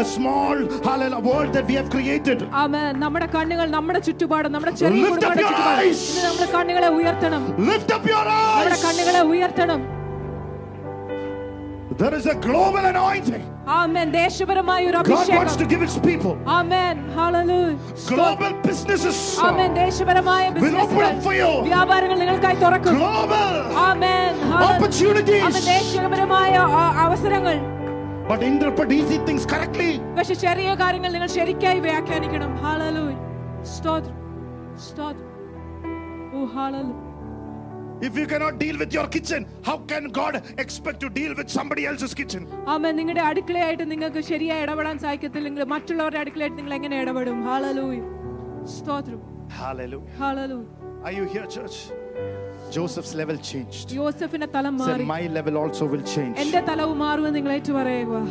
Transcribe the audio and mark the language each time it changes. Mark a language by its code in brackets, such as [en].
[en] A small, hallelujah, world that we have created. Amen. [ml] നമ്മുടെ കണ്ണുകൾ നമ്മുടെ ചുറ്റുപാടും നമ്മുടെ ചെറിയ കുടുംബത്തിന്റെ ചുറ്റുപാടും ഇന്ന് നമ്മുടെ കണ്ണുകളെ ഉയർത്തണം. [en] Lift up your eyes. [ml] നമ്മുടെ കണ്ണുകളെ ഉയർത്തണം. [en] There is a global anointing. [ml] Amen. ദേശപരമായ ഒരു അഭിഷേകം. [en] God wants to give his people. Amen. Hallelujah. Global businesses. [ml] Amen. ദേശപരമായ ബിസിനസ്സുകൾ. വ്യാപാരങ്ങൾ നിങ്ങൾക്കായി തുറക്കും. [en] Global. Amen. Opportunities. [ml] അവ ദേശപരമായ അവസരങ്ങൾ. [en] But interpret easy things correctly. [ml] പക്ഷേ ചെറിയ കാര്യങ്ങൾ നിങ്ങൾ ശരിയായി വ്യാഖ്യാനിക്കണം. Hallelujah. സ്തോത്രം. സ്തോത്രം. ഓ hallelujah. [en] If you cannot deal with your kitchen, how can God expect to deal with somebody else's kitchen? Amen. [ml] നിങ്ങളുടെ അടുക്കളയായിട്ട് നിങ്ങൾക്ക് ശരിയായി ഇടപെടാൻ സാധിക്കത്തില്ലെങ്കിൽ മറ്റുള്ളവരുടെ അടുക്കളയായിട്ട് നിങ്ങൾ എങ്ങനെ ഇടപെടും? Hallelujah. സ്തോത്രം. [en] Hallelujah. Hallelujah. Are you here, church? Joseph's level changed. [ml] യോസഫിന്റെ തലം മാറി. [en] So my level also will change. [ml] എന്റെ തലവും മാറുമെന്ന് നിങ്ങളേറ്റ് പറയുക.